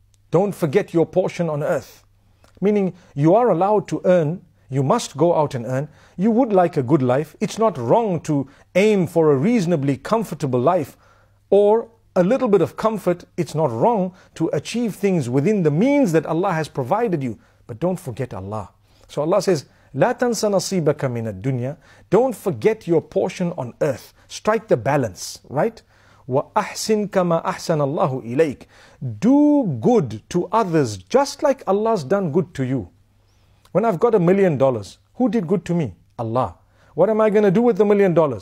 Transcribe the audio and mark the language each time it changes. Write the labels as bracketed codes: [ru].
[en] Don't forget your portion on earth. Meaning, you are allowed to earn. You must go out and earn. You would like a good life. It's not wrong to aim for a reasonably comfortable life or a little bit of comfort. It's not wrong to achieve things within the means that Allah has provided you. But don't forget Allah. So Allah says, [ar] لا تنسى نصيبك من الدنيا. [en] Don't forget your portion on earth. Strike the balance, right? [ar] وَأَحْسِنْ كَمَا أَحْسَنَ اللَّهُ إِلَيْكَ [en] Do good to others just like Allah's done good to you. When I've got $1 million, who did good to me? Allah. What am I going to do with $1 million?